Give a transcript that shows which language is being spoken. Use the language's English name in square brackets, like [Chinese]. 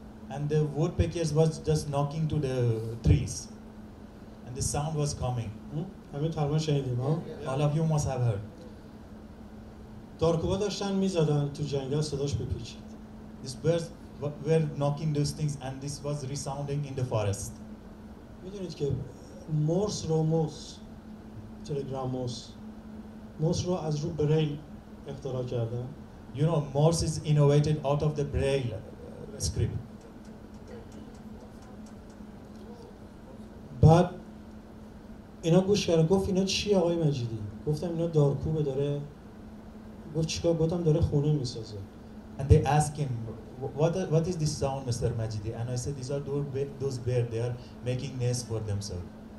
[English] And the woodpeckers was just knocking to the trees and the sound was coming. [Persian] همه ترمان شنیدیم ها؟ [English] All of you must have heard. [Persian] دارکوب ها داشتن میزدن تو جنگل، صداش بپیچید. [English] These birds were knocking those things and this was resounding in the forest. [Persian] میدونید که مورس رو موس، تلگرام موس، موس رو از رو برایل اختراع کردن. [English] You know, Morse is innovated out of the braille script. [Persian] بعد اینا گوش کردن، گفت اینا چی آقای مجیدی؟ گفتم اینا دارکوبه داره. گفت چیکار؟ گفتم داره خونه میسازه. [English] And they ask him, What is this sound, Mr. Majidi? And I said, those birds, they are making nests for themselves.